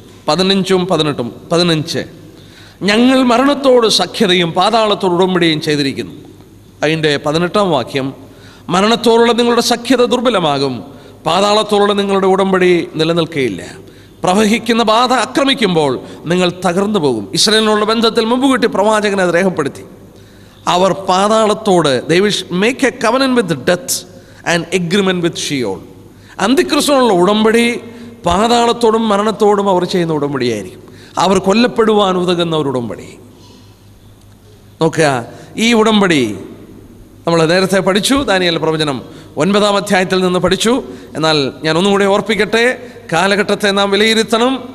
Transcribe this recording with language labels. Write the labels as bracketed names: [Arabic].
[Malayalam] Isaiah 28:28-15. ഞങ്ങൾ മരണത്തോട് സഖ്യതയും പാതാളത്തോട് ഉടമ്പടിയും ചെയ്തിരിക്കുന്നു. അതിൻ്റെ 18-ാം വാക്യം, മരണത്തോടുള്ള നിങ്ങളുടെ സഖ്യത ദുർബലമാകും, പാതാളത്തോടുള്ള നിങ്ങളുടെ ഉടമ്പടി നിലനിൽക്കുകയില്ല. പ്രവഹിക്കുന്ന ബാധ ആക്രമിക്കുമ്പോൾ നിങ്ങൾ തകർന്നു പോകും. ഇസ്രായേലിനോട് ബന്ധത്തിൽ മുമ്പ് കിട്ടി പ്രവാചകനെ അത് രേഖപ്പെടുത്തി. അവർ പാതാളത്തോട് [English] They will make a covenant with death and agreement with Sheol. [Malayalam] അന്തിക്രിസ്തുവിനുള്ള ഉടമ്പടി പാതാളത്തോടും മരണത്തോടും അവർ ചെയ്യുന്ന ഉടമ്പടിയായിരിക്കും. അവർ കൊല്ലപ്പെടുവാൻ ഉതകുന്ന ഒരു ഉടമ്പടി. നോക്കുക, ഈ ഉടമ്പടി നമ്മൾ നേരത്തെ പഠിച്ചു, Daniel 9 9-ാം അധ്യായത്തിൽ നിന്ന് പഠിച്ചു. എന്നാൽ ഞാൻ ഒന്നുകൂടെ ഓർപ്പിക്കട്ടെ, കാലഘട്ടത്തെ നാം വിലയിരുത്തണം.